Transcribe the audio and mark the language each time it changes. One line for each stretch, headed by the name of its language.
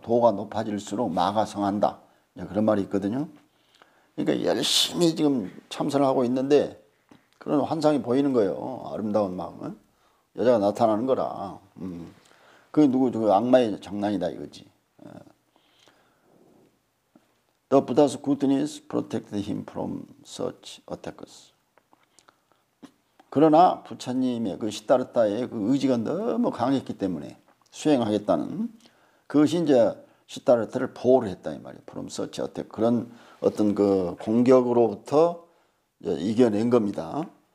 Korean: 도가 높아질수록 마가 성한다. 그런 말이 있거든요. 그러니까 열심히 지금 참선을 하고 있는데 그런 환상이 보이는 거예요. 아름다운 마음은 여자가 나타나는 거라. 그게 누구 저 악마의 장난이다 이거지.
English: The Buddha's goodness protected him from such attacks.
Korean: 그러나 부처님의 그 시다르타의 그 의지가 너무 강했기 때문에 수행하겠다는 그것이 이제 시다르타를 보호를 했다 이 말이에요.
English: From such attack
Korean: 그런 어떤 그 공격으로부터 이겨낸 겁니다.